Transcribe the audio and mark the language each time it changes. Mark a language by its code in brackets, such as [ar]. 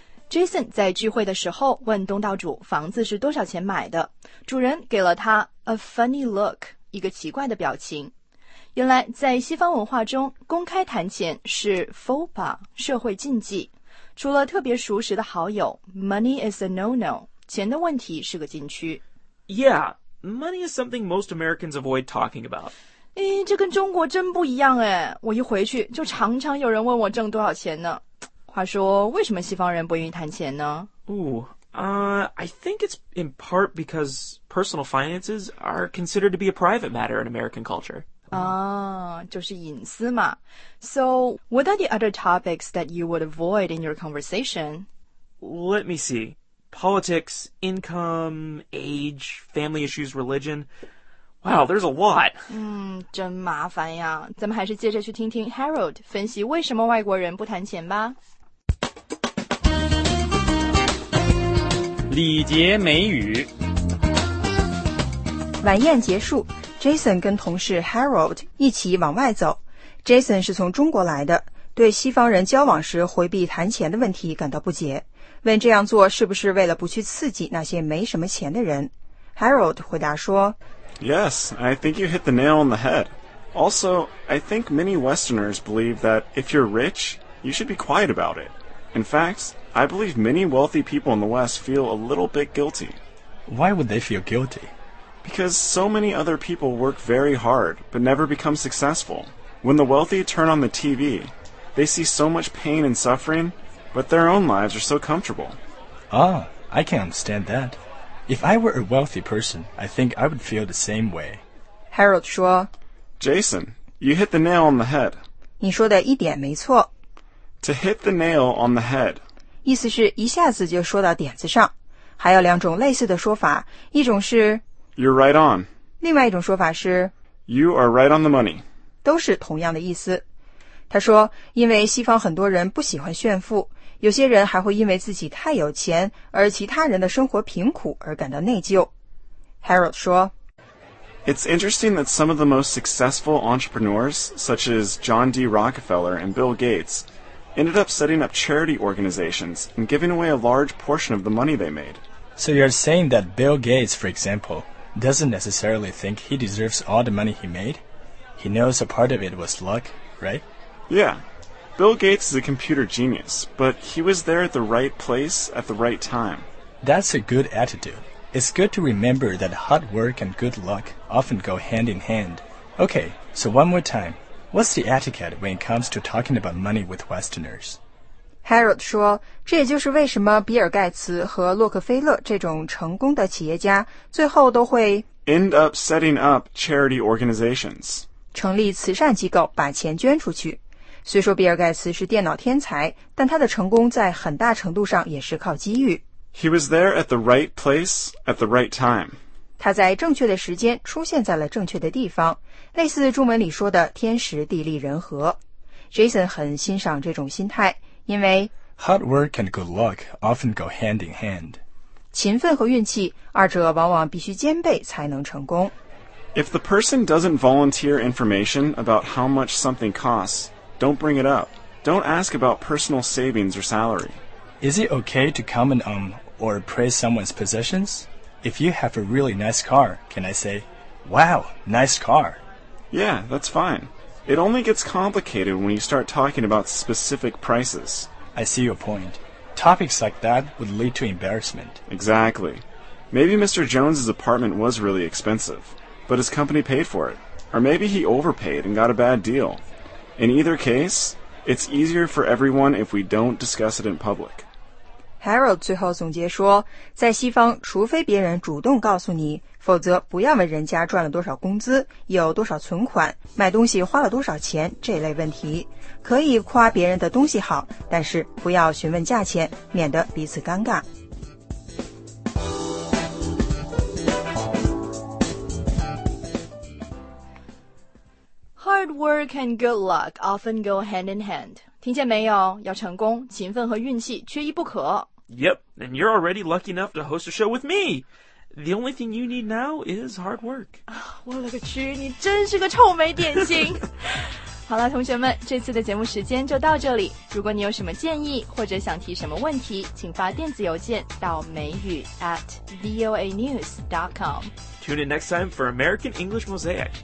[zh] Jason 在聚会的时候问东道主房子是多少钱买的，主人给了他 [en] a funny look， [zh] 一个奇怪的表情。原来在西方文化中，公开谈钱是 [en] faux pas， [zh] 社会禁忌。除了特别熟识的好友 ， [en] money is a no-no， [zh] 钱的问题是个禁区。 [en] Yeah, money is something most Americans avoid talking about. [zh] 诶，这跟中国真不一样诶，我一回去就常常有人问我挣多少钱呢。话说，为什么西方人不愿意谈钱呢 [en] ？I think it's in part because personal finances are considered to be a private matter in American culture. [zh] 就是隐私嘛。 [en] So, what are the other topics that you would avoid in your conversation? Let me see. Politics, income, age, family issues, religion. Wow, there's a lot. [zh] 真麻烦呀。咱们还是接着去听听 Harold 分析为什么外国人不谈钱吧。礼节美语。晚宴结束， Jason 跟同事 Harold 一起往外走。 Jason 是从中国来的，对西方人交往时回避谈钱的问题感到不解，问这样做是不是为了不去刺激那些没什么钱的人。 Harold 回答说， [en] Yes, I think you hit the nail on the head. Also, I think many Westerners believe that if you're rich, you should be quiet about it. In fact, I believe many wealthy people in the West feel a little bit guilty. Why would they feel guilty? Because so many other people work very hard, but never become successful. When the wealthy turn on the TV, they see so much pain and suffering, but their own lives are so comfortable. Ah, I can understand that. If I were a wealthy person, I think I would feel the same way. [zh] Harold 说， [en] Jason, you hit the nail on the head. [zh] 你说的一点没错。 [en] To hit the nail on the head. [zh] 意思是一下子就说到点子上。还有两种类似的说法，一种是 [en] You're right on. [zh] 另外一种说法是 [en] You are right on the money. [zh] 都是同样的意思。他说，因为西方很多人不喜欢炫富，有些人还会因为自己太有钱而其他人的生活贫苦而感到内疚。 Harold 说， [en] It's interesting that some of the most successful entrepreneurs, such as John D. Rockefeller and Bill Gates, ended up setting up charity organizations and giving away a large portion of the money they made. So you're saying that Bill Gates, for example, doesn't necessarily think he deserves all the money he made? He knows a part of it was luck, right? Yeah, Bill Gates is a computer genius, but he was there at the right place at the right time. That's a good attitude. It's good to remember that hard work and good luck often go hand in hand. Okay, so one more time. What's the etiquette when it comes to talking about money with Westerners? [zh] Harold 说，这也就是为什么比尔盖茨和洛克菲勒这种成功的企业家最后都会 [en] end up setting up charity organizations. [zh] 成立慈善机构，把钱捐出去。虽说比尔盖茨是电脑天才，但他的成功在很大程度上也是靠机遇。 [en] He was there at the right place at the right time. [zh] 他在正确的时间出现在了正确的地方，类似中文里说的天时地利人和。 Jason 很欣赏这种心态，因为 [en] Hard work and good luck often go hand in hand. [zh] 勤奋和运气，二者往往必须兼备才能成功。 [en] If the person doesn't volunteer information about how much something costs,Don't bring it up. Don't ask about personal savings or salary. Is it okay to comment on or praise someone's possessions? If you have a really nice car, can I say, Wow, nice car? Yeah, that's fine. It only gets complicated when you start talking about specific prices. I see your point. Topics like that would lead to embarrassment. Exactly. Maybe Mr. Jones's apartment was really expensive, but his company paid for it. Or maybe he overpaid and got a bad deal. In either case, it's easier for everyone if we don't discuss it in public. [zh] Harold 最后总结说，在西方，除非别人主动告诉你，否则不要问人家赚了多少工资，有多少存款，买东西花了多少钱这类问题。可以夸别人的东西好，但是不要询问价钱，免得彼此尴尬。 [en] Hard work and good luck often go hand in hand. [zh] 听见没有？要成功，勤奋和运气缺一不可。 [en] Yep, and you're already lucky enough to host a show with me. The only thing you need now is hard work. [zh] 我勒个去，你真是个臭美点心。好了，同学们，这次的节目时间就到这里。如果你有什么建议或者想提什么问题，请发电子邮件到美语@voanews.com。 [en] Tune in next time for American English Mosaic.